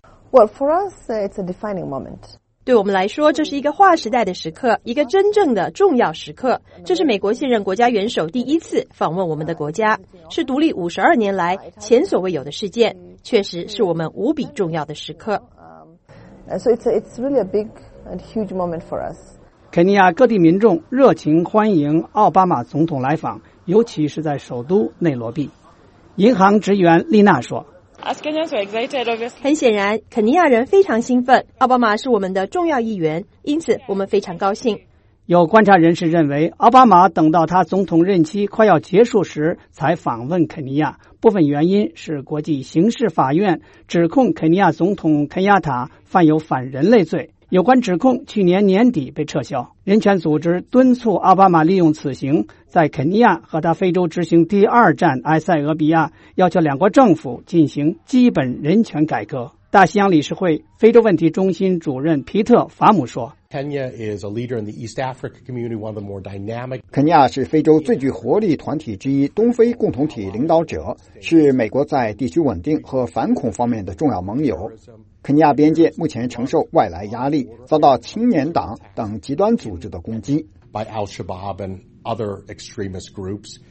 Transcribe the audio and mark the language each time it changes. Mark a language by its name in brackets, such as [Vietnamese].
[English] Well, for us, it's a defining moment. [Chinese] 对我们来说，这是一个划时代的时刻，一个真正的重要时刻。这是美国现任国家元首第一次访问我们的国家，是独立52年来前所未有的事件，确实是我们无比重要的时刻。 [English] So it's really a big and huge moment for us. [Chinese] 肯尼亚各地民众热情欢迎奥巴马总统来访，尤其是在首都内罗毕。银行职员丽娜说 [English] As Kenyans are excited, obviously. [Chinese] 很显然肯尼亚人非常兴奋，奥巴马是我们的重要议员，因此我们非常高兴。有观察人士认为，奥巴马等到他总统任期快要结束时才访问肯尼亚，部分原因是国际刑事法院指控肯尼亚总统肯亚塔犯有反人类罪，有关指控去年年底被撤销。人权组织敦促奥巴马利用此行在肯尼亚和他非洲执行第二站埃塞俄比亚，要求两国政府进行基本人权改革。大西洋理事会非洲问题中心主任皮特·法姆说 [English] Kenya is a leader in the East Africa community, one of the more dynamic. [Chinese] 肯尼亚是非洲最具活力团体之一，东非共同体领导者，是美国在地区稳定和反恐方面的重要盟友。肯尼亚边界目前承受外来压力，遭到青年党等极端组织的攻击。 [English] By Al-Shabaab and other extremist groups.